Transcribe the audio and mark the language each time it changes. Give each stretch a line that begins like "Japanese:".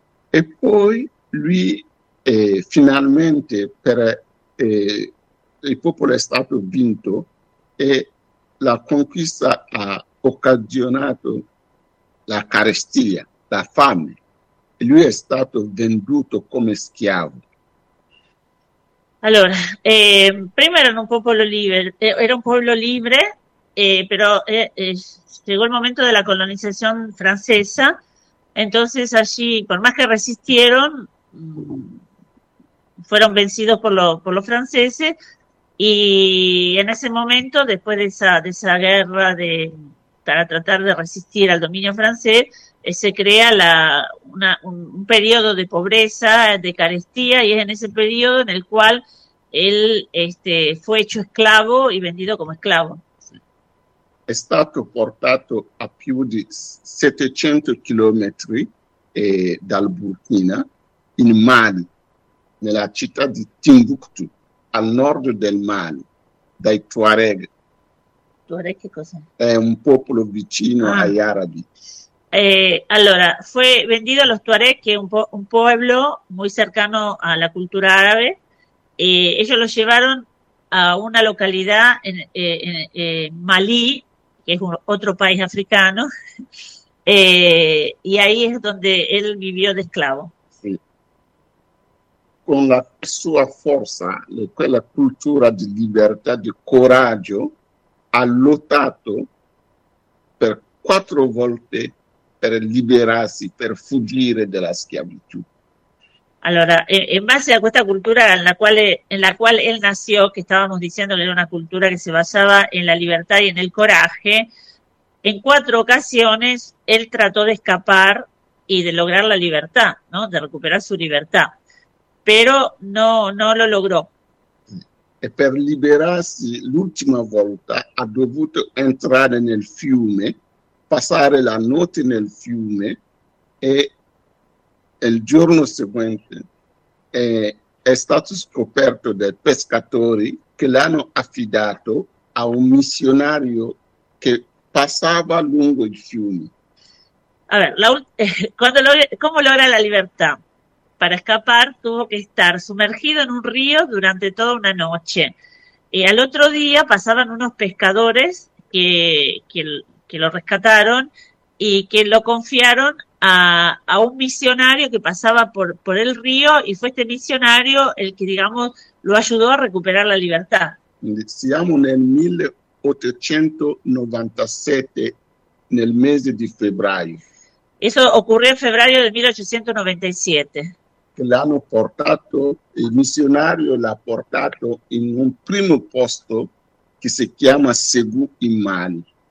Italian: E poi lui finalmente il popolo è stato vinto e la conquista ha occasionato la carestia, la fame. E lui è stato venduto come schiavo. Allora, prima erano un popolo libero, era un popolo libre,
Spanish: però llegó el momento de la colonización francesa, entonces allí, por más que resistieron, fueron vencidos por los franceses, y en ese momento, después de esa guerra para tratar de resistir al dominio francés, se crea un periodo de pobreza, de carestía, y es en ese periodo en el cual él fue hecho esclavo y vendido como esclavo.
Italian: È stato portato a più di 700 chilometri dal Burkina in Mali, nella città di Timbuktu, al nord del Mali, dai Tuareg. Tuareg, che cos'è? È un popolo vicino Ah, agli arabi.
Spanish: allora, fue vendido a los Tuareg, que es un pueblo muy cercano a la cultura árabe. Ellos lo llevaron a una localidad en Malí, que es otro país africano, y ahí es donde él vivió de esclavo.
Italian: Con la sua forza e quella cultura di libertà, di coraggio, ha lottato per 4 volte per liberarsi, per fuggire dalla schiavitù.
Spanish: Allora, en base a questa cultura en la cual él nació,
Italian: che stavamo dicendo che era una cultura che si basava
Spanish: en la libertà e en el coraje, en cuatro ocasiones él trató de escapar y de lograr la libertad, ¿no? De recuperar su libertà, pero no lo logró.
Italian: E per liberarsi l'ultima volta ha dovuto entrare nel fiume, passare la notte nel fiume e il giorno seguente è stato scoperto dai pescatori che l'hanno affidato a un missionario che passava lungo il fiume.
Spanish: A ver, ¿cómo logra la libertad? Para escapar tuvo que estar sumergido en un río durante toda una noche. Y al otro día pasaban unos pescadores que lo rescataron y que lo confiaron a un misionario que pasaba por el río, y fue este misionario el que, digamos, lo ayudó a recuperar la libertad.
Italian: Siamo nel 1897, nel mese di febbraio,
Spanish: Eso ocurrió en febrero de 1897.
Italian: che l'hanno portato, il missionario l'ha portato in un primo posto che si chiama Segu in Mali.